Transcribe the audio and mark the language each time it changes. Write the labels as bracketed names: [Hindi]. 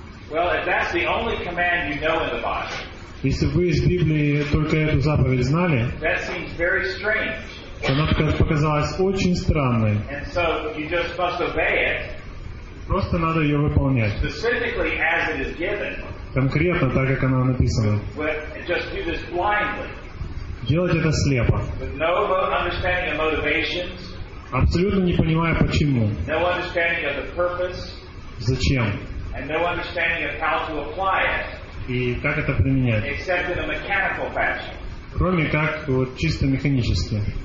[English] Well, if that's the only command you know in the Bible, [Russian] если вы из Библии только эту заповедь знали, [English] that seems very strange. [Russian] Она показалась очень странной. [English] And so you just must obey it. [Russian] Просто надо ее выполнять. [English] Specifically as it is given. [Russian] Конкретно так, как она написана. [English] But just do this blindly. [Russian] Делать это слепо. [English] With no understanding of motivations. [Russian] Абсолютно не понимая почему. [English] No understanding of the purpose. [Russian] Зачем? [English] And no understanding of how to apply it. [Russian] И как это применять? [English] Except in a mechanical fashion. [Russian] Кроме как вот чисто механически.